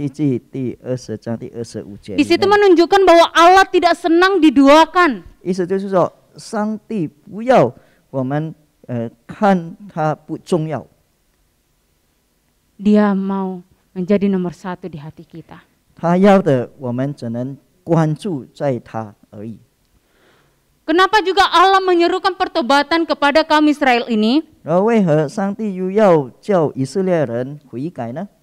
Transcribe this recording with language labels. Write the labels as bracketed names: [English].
[Chinese] 我们可以在这个出埃及记第20章第25节。 [Indonesian] Di situ menunjukkan bahwa Allah tidak senang diduakan， [Chinese] 意思就是说， 上帝不要 我们看他不重要。 [Indonesian] Dia mau menjadi nomor satu di hati kita. [Chinese] 他要的我们只能关注在他而已。 [Indonesian] Kenapa juga Allah menyerukan pertobatan kepada kaum Israel ini? [Chinese] 为何上帝又要叫以色列人悔改呢？